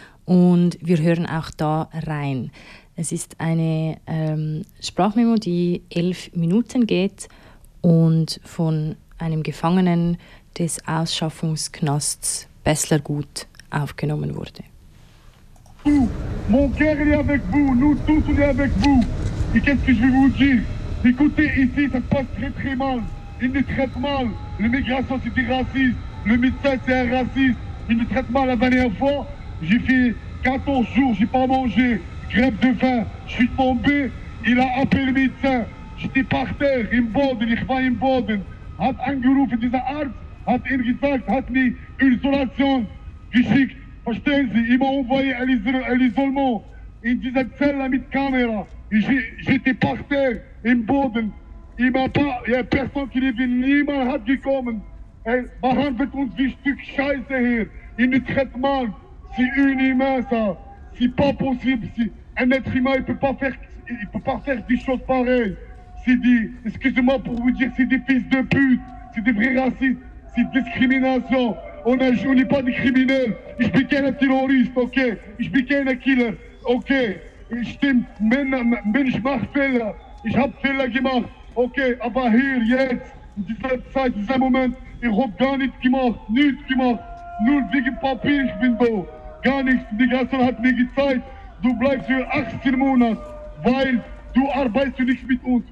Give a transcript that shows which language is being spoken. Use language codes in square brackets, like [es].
[de] Und wir hören auch da rein. Es ist eine Sprachmemo, die 11 Minuten geht und von einem Gefangenen des Ausschaffungsknasts Besslergut aufgenommen wurde. [fr] Mon cœur est avec vous, nous tous on est avec vous. Et qu'est-ce que je vais vous dire? Écoutez, ici ça se passe très très mal. Ils nous traitent mal. L'immigration c'est des racistes. Le médecin c'est un raciste. Ils nous traitent mal. La dernière fois, j'ai fait 14 jours, j'ai pas mangé. Grève de faim. Je suis tombé. Il a appelé le médecin. J'étais par terre. [de] Im Boden, ich war im Boden. Hat angerufen, dieser Arzt hat ihm gesagt, hat mir Isolation geschickt. Verstehen Sie, ich war umgeworfen, ein Isolement, in dieser Zelle mit Kamera. [fr] J'étais par terre, [de] im Boden. [fr] Il m'a pas, il y a personne qui est venu, [de] niemand hat gekommen. Er behandelt uns wie ein Stück Scheiße hier. [fr] Il nous traite mal. C'est inhumain, ça. C'est pas possible. Un être humain, il peut pas faire des choses pareilles. C'est des, excusez-moi pour vous dire, c'est des fils de pute. C'est des vrais racistes. C'est discrimination. On n'est pas des criminels. [de] Ich bin kein Terrorist, okay? Ich bin kein Killer, okay? Stimmt, Mensch macht Fehler. Ich hab Fehler gemacht, okay? Aber hier, jetzt, in dieser Zeit, in diesem Moment, ich hab gar nichts gemacht, nichts gemacht. Nur wegen Papier, ich bin da. Gar nichts. Die Migration hat mir gezeigt, du bleibst für 18 Monate, weil du arbeitest nicht mit uns.